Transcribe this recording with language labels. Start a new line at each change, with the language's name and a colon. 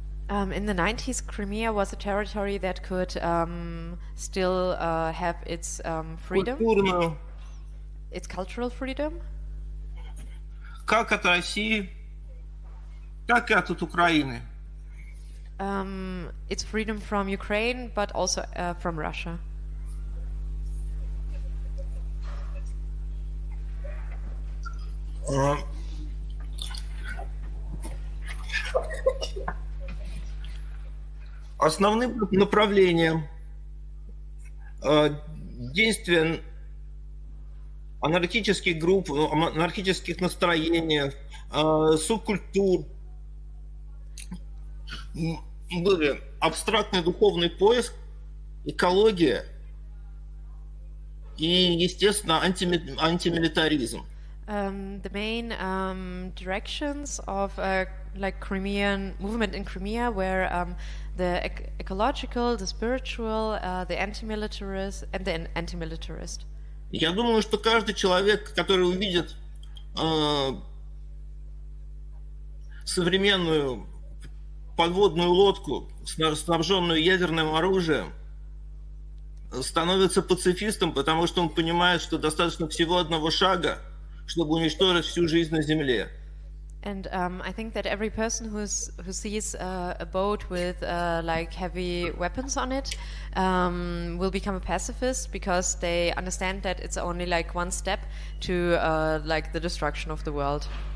English: In the 90s, Crimea was a territory that could still have its freedom,
Russian: культурную.
English: Its cultural freedom.
Russian: Как от России, так и от Украины.
English: It's freedom from Ukraine, but also from Russia.
Russian: Основным направлением действия анархических групп, анархических настроений, субкультур были абстрактный духовный поиск, экология и, естественно, антимилитаризм.
English: The main directions of like Crimean movement in Crimea were the ecological, the spiritual, the anti-militarist, and the anti-militarist.
Russian: Я думаю, что каждый человек, который увидит современную подводную лодку, снабженную ядерным оружием, становится пацифистом, потому что он понимает, что достаточно всего одного шага, чтобы уничтожить всю жизнь на Земле.
English: And I think that every person who sees a boat with like heavy weapons on it will become a pacifist because they understand that it's only like one step to like the destruction of the world.